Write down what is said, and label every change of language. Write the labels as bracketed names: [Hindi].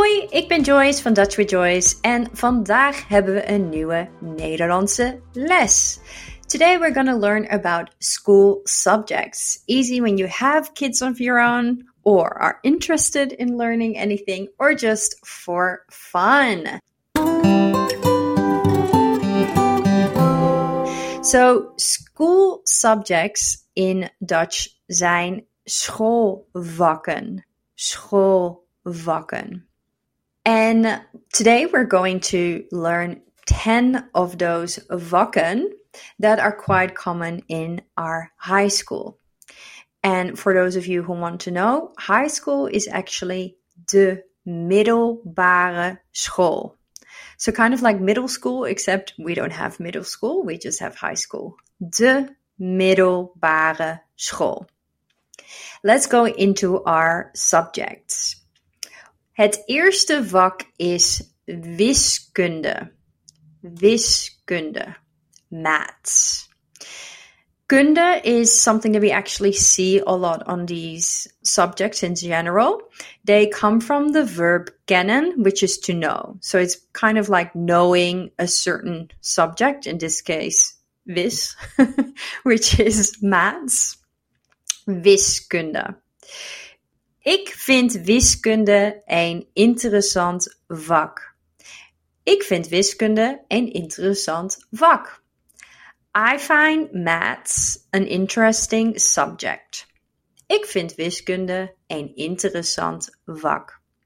[Dutch] Ik ben Joyce van Dutch with Joyce en vandaag hebben we een nieuwe Nederlandse les. [English] Today we're going to learn about school subjects. Easy when you have kids of your own or are interested in learning anything or just for fun. So, school subjects in Dutch [Dutch] zijn schoolvakken. Schoolvakken. [English] And today we're going to learn 10 of those vakken that are quite common in our high school. And for those of you who want to know, high school is actually [Dutch] de middelbare school. [English] So kind of like middle school, except we don't have middle school, we just have high school. [Dutch] De middelbare school. [English] Let's go into our subjects. [Dutch] Het eerste vak is wiskunde. Wiskunde. [English] Maths. Kunde is something that we actually see a lot on these subjects in general. They come from the verb kennen, which is to know. So it's kind of like knowing a certain subject, in this case, wis, which is maths. [Dutch] Wiskunde. Ik vind wiskunde een interessant vak. Ik vind wiskunde een interessant vak. [English] I find maths an interesting subject. [Dutch] Ik vind wiskunde een interessant vak.